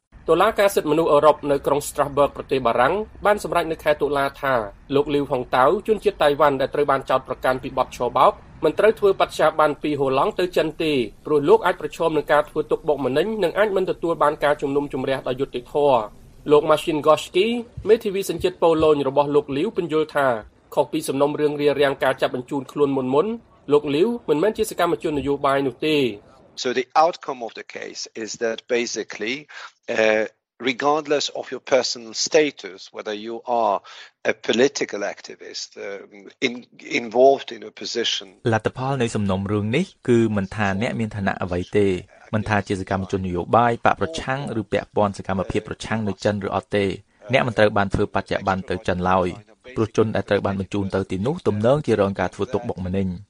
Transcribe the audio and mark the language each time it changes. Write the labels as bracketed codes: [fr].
[km] តុលាការសិទ្ធិមនុស្សអឺរ៉ុបនៅក្រុង Strasbourg ប្រទេសបារាំងបានសម្រេចនៅខែតុលាថាលោកលីវហុងតៅជនជាតិតៃវ៉ាន់ដែលត្រូវបានចោទប្រកាន់ពីបទឆបោកមិនត្រូវធ្វើបត្យាប័ន្នពីហូឡង់ទៅចិនទេព្រោះលោកអាចប្រឈមនឹងការធ្វើទុកបុកម្នេញនិងអាចមិនទទួលបានការជំនុំជម្រះដោយយុត្តិធម៌លោក Marcin Gorski មេធាវីសញ្ជាតិប៉ូឡូញរបស់លោកលីវពន្យល់ថាខុសពីសំណុំរឿងរារាំងការចាប់បញ្ជូនខ្លួនមុនៗលោកលីវមិនមែនជាសកម្មជននយោបាយនោះទេ [en] So the outcome of the case is that basically regardless of your personal status whether you are a political activist involved in a position [km] លទ្ធផលនៃសំណុំរឿងនេះគឺមិនថាអ្នកមានឋានៈអ្វីទេមិនថាជាសកម្មជននយោបាយបកប្រឆាំងឬពាក់ព័ន្ធសកម្មភាពប្រឆាំងនៅចិនឬអត់ទេអ្នកមិនត្រូវបានធ្វើបច្ចុប្បន្នទៅចិនឡើយប្រជាជនដែលត្រូវបានបញ្ជូនទៅទីនោះទំនងជារងការធ្វើទុកបុកម្នេញ